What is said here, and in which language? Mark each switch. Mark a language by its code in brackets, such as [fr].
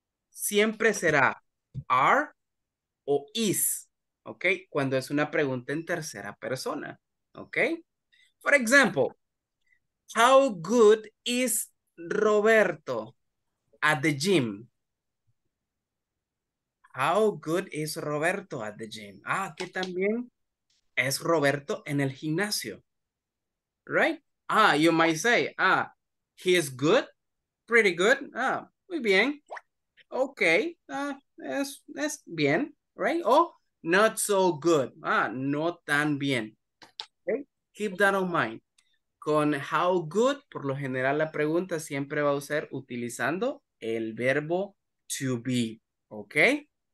[es] Siempre será are o is. Okay? Cuando es una pregunta en tercera persona. Okay? [en] For example, how good is Roberto at the gym? How good is Roberto at the gym? [es] Ah, que también es Roberto en el gimnasio. [en] Right? Ah, you might say, ah, he is good, pretty good. [es] Ah, muy bien. Okay, ah, es bien, right? [en] Oh, not so good. [es] Ah, no tan bien. [en] Okay, keep that on mind. [es] Con how good, por lo general la pregunta siempre va a ser utilizando el verbo to be, ¿ok?